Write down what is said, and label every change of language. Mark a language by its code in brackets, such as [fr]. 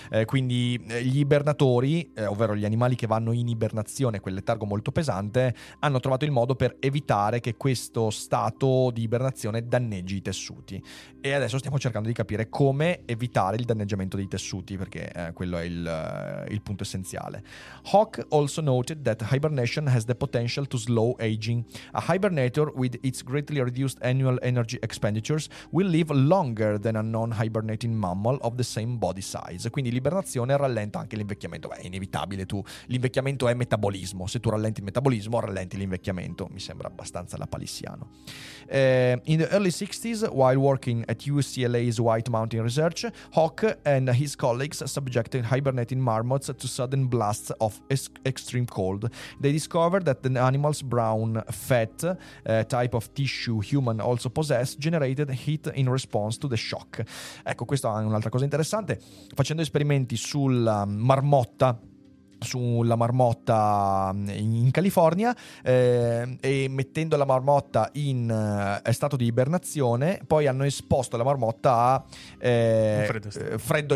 [it] Quindi gli ibernatori, ovvero gli animali che vanno in ibernazione, quel letargo molto pesante, hanno trovato il modo per evitare che questo stato di ibernazione danneggi i tessuti. E adesso stiamo cercando di capire come evitare il danneggiamento dei tessuti, perché quello è il punto essenziale. [en] Hawk also noted that hibernation has the potential to slow aging. A hibernator with its greatly reduced annual energy expenditures will live longer than a non-hibernating mammal of the same body size. [it] Quindi l'ibernazione rallenta anche l'invecchiamento. Beh, è inevitabile. Tu, l'invecchiamento è metabolismo, se tu rallenti il metabolismo rallenti l'invecchiamento, mi sembra abbastanza lapalissiano. [en] In the early 60s, while working at UCLA's White Mountain Research, Hawk and his colleagues subjected hibernating marmots to sudden blasts of extreme cold. They discovered that the animal's brown fat, type of tissue human also possess, generated heat in response to the shock. [it] Ecco, questa è un'altra cosa interessante. Facendo esperimenti sulla marmotta in California, e mettendo la marmotta in stato di ibernazione, poi hanno esposto la marmotta a freddo